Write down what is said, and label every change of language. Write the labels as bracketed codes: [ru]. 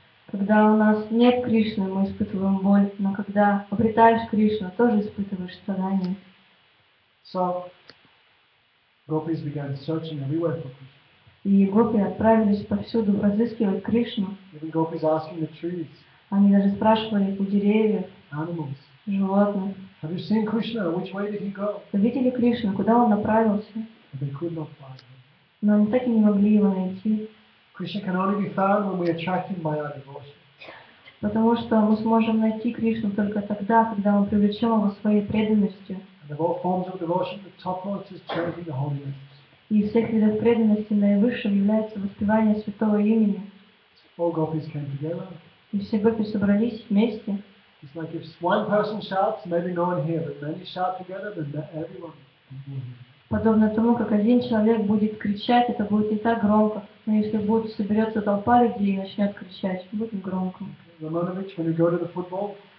[ru] Когда у нас нет Кришны, мы испытываем боль, но когда обретаешь Кришну, тоже испытываешь страдания. [en] Gopis began searching everywhere for Krishna. [ru] И гопи отправились повсюду разыскивать Кришну. [en] Even gopis asking the trees. [ru] Они даже спрашивали у деревьев. [en] Animals. [ru] Животных. [en] Have you seen Krishna? Which way did he go? [ru] Видели Кришну? Куда он направился? [en] But they could not find him. [ru] Но они так и не могли его найти. [en] Krishna can only be found when we are attracted by our devotion. [ru] Потому что мы сможем найти Кришну только тогда, когда мы привлечем его своей преданностью. [en] Of all forms of devotion, the topmost is chanting the holy names. [ru] Из всех видов преданности наивысшим является воспевание святого имени. [en] All gopis came together. [ru] И все гопи собрались вместе. [en] It's like if one person shouts, maybe no one hears, but many shout together, then everyone will hear. [ru] Подобно тому, как один человек будет кричать, это будет не так громко, но если будет соберется толпа людей и начнет кричать, будет громко. [en] Romanovich, when you go to the football.